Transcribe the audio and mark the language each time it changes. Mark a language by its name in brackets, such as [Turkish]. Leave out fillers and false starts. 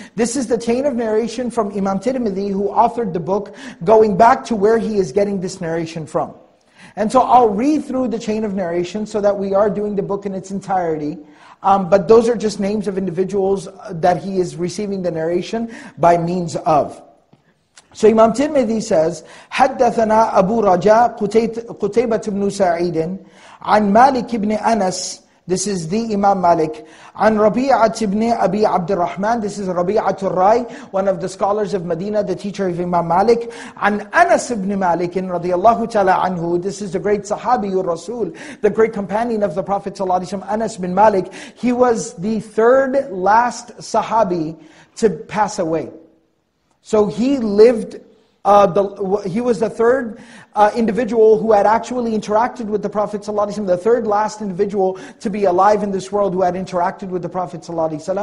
[English] This is the chain of narration from Imam Tirmidhi, who authored the book, going back to where he is getting this narration from. And so I'll read through the chain of narration so that we are doing the book in its entirety. But those are just names of individuals that he is receiving the narration by means of. [Arabic] So Imam Tirmidhi says, حدثنا أبو رجاء قتيبة بن سعيد عن مالك بن أنس. [English] This is the Imam Malik. [Arabic] عن ربيعة بن أبي عبد الرحمن. [English] This is ربيعة الرأي, one of the scholars of Medina, the teacher of Imam Malik. [Arabic] عن أنس بن مالك رضي الله تعالى عنه. [English] This is the great Sahabi Rasul, the great companion of the Prophet صلى الله عليه وسلم, Anas bin Malik. He was the third last Sahabi to pass away. So he lived, he was the third individual who had actually interacted with the Prophet ﷺ, the third last individual to be alive in this world who had interacted with the Prophet ﷺ.